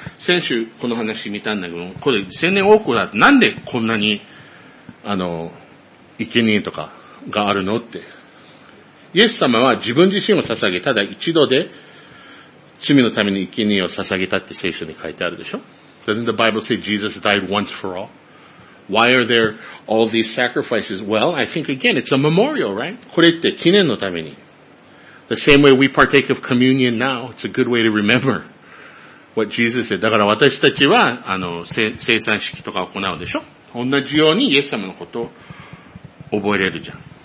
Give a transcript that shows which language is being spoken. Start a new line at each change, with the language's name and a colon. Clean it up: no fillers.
Japanese: 先週この話見たんだけど、これ千年王国だって、なんでこんなに、あの、生贄とかがあるのって。イエス様は自分自身を捧げ、ただ一度で罪のために生贄を捧げたって聖書に書いてあるでしょ?
English: Doesn't the Bible say Jesus died once for all? Why are there... All these sacrifices, well, I think again, it's a memorial, right?
Japanese: これって記念のために。
English: The same way we partake of communion now, it's a good way to remember what Jesus said.
Japanese: だから私たちは、あの、生産式とか行うでしょ? 同じようにイエス様のことを覚えれるじゃん。